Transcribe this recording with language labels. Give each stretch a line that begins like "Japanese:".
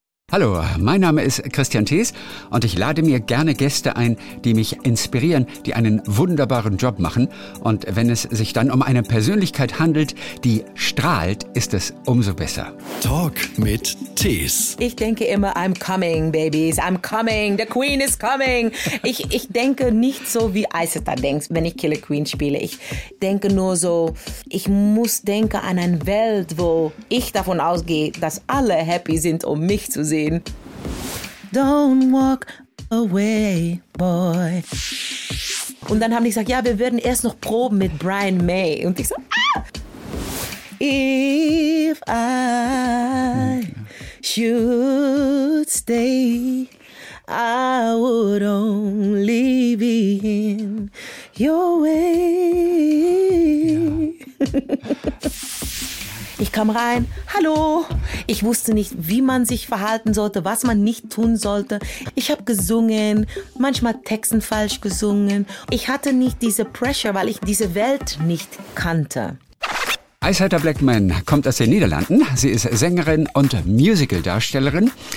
German: Hallo, mein Name ist Christian Thees und ich lade mir gerne Gäste ein, die mich inspirieren, die einen wunderbaren Job machen. Und wenn es sich dann um eine Persönlichkeit handelt, die strahlt, ist es umso besser. Talk mit Thees. Ich denke immer,
English: I'm coming, babies, I'm coming, the queen is coming.
German: Ich denke nicht so, wie Isetta denkt, wenn ich Killer Queen spiele. Ich denke nur so, ich muss denken an eine Welt, wo ich davon ausgehe, dass alle happy sind, um mich zu sehen.
English: Don't walk away, boy.
German: Und dann haben die gesagt, ja, wir werden erst noch proben mit Brian May. Und ich so, ah!
English: If I should stay, I would only be in your way.
German: Ich kam rein, hallo. Ich wusste nicht, wie man sich verhalten sollte, was man nicht tun sollte. Ich habe gesungen, manchmal Texten falsch gesungen. Ich hatte nicht diese Pressure, weil ich diese Welt nicht kannte. Isetta Blackman kommt aus den Niederlanden. Sie ist Sängerin und Musical-Darstellerin.